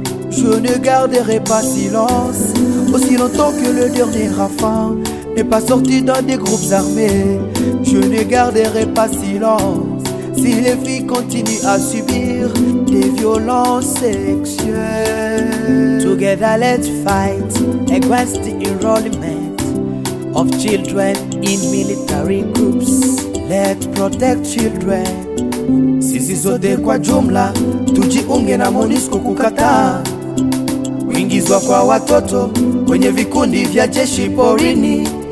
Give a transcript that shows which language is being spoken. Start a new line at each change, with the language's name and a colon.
French: Je ne garderai pas silence aussi longtemps que le dernier enfant n'est pas sorti dans des groupes armés. Je ne garderai pas silence si les filles continuent à subir des violences sexuelles.
English: Together let's fight against the enrollment of children in military groups. Let's protect children.
Swahili: Si zizote kwa jumla tujiunge na MONUSCO kukata kuingizwa kwa watoto kwenye vikundi vya jeshi porini.